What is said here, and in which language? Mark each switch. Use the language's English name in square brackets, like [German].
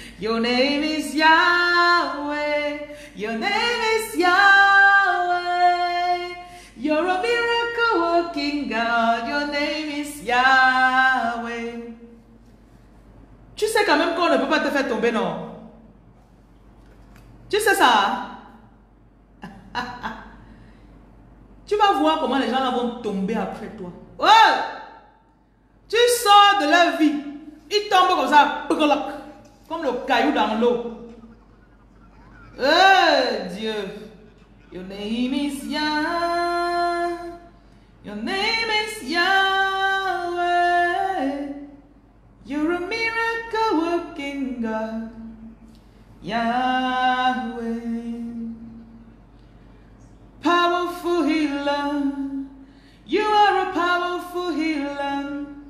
[English] Your name is Yahweh, your name is Yahweh. You're a miracle working God, your name is Yahweh. [French] Tu sais quand même qu'on ne peut pas te faire tomber, non? Tu sais ça? Tu vas voir comment les gens vont tomber après toi. Ouais! Tu sors de leur vie, ils tombent comme ça, comme le caillou dans l'eau. Oh Dieu, [English] your name is Yah, your name is Yahweh, you're a miracle working God, Yahweh, powerful healer, you are a powerful healer.